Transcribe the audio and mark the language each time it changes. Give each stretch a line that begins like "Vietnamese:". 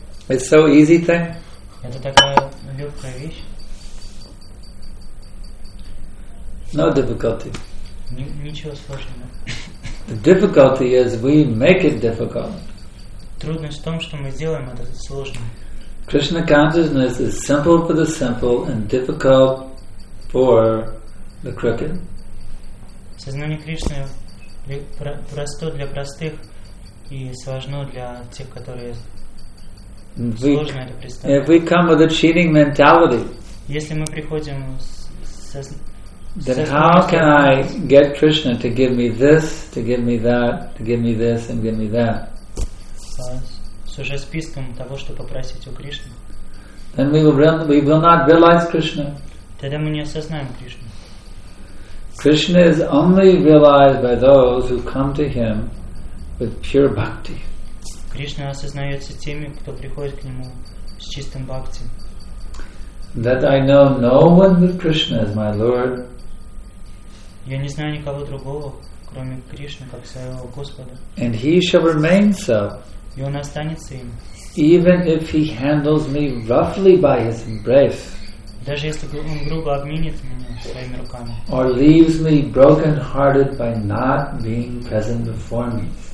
English: It's so easy thing.
Russian: Это такая легкая вещь.
English: No difficulty.
Russian: Ничего сложного.
English: The difficulty is we make it difficult.
Russian: Трудность в том, что мы сделаем это сложным.
English: Krishna consciousness is simple for the simple and difficult for the crooked.
Russian: Сознание Кришны просто для простых и сложно для тех, которые сложно это представить.
English: If we come with a cheating mentality,
Russian: если мы приходим с
English: then how can I get Krishna to give me this, to give me that, to give me this, and give me that?
Russian: С уже списком того, что попросить у Кришны.
English: Then we will not realize Krishna.
Russian: Тогда мы не осознаем Кришну.
English: Krishna is only realized by those who come to Him with pure bhakti.
Russian: Кришна осознается теми, кто приходит к нему с чистым бхакти.
English: That I know no one but Krishna as my Lord.
Russian: Я не знаю никого другого, кроме Кришны, как своего Господа.
English: And he shall remain so.
Russian: И он останется им.
English: Even if he handles me roughly by his embrace.
Russian: Даже если он грубо обменит меня своими руками.
English: Or leaves me broken-hearted by not being present before me.